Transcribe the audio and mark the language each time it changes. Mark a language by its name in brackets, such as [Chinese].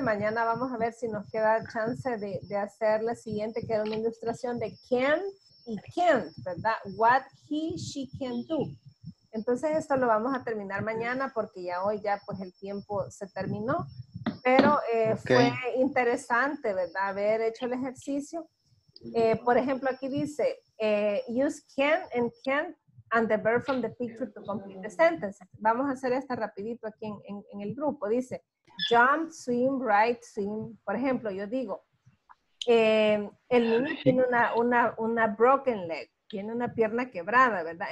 [Spanish] Mañana vamos a ver si nos queda chance de hacer la siguiente, que era una ilustración de can y can't, ¿verdad? [English] What he, she can do. [Spanish] Entonces esto lo vamos a terminar mañana porque ya hoy ya pues el tiempo se terminó. Pero fue interesante, ¿verdad? Haber hecho el ejercicio. Por ejemplo, aquí dice, [English] use can and can't and the verb from the picture to complete the sentence. [Spanish] Vamos a hacer esta rapidito aquí en el grupo. Dice, [English] jump, swim, ride, swim. [Spanish] Por ejemplo, yo digo, el niño tiene una broken leg, tiene una pierna quebrada, ¿verdad?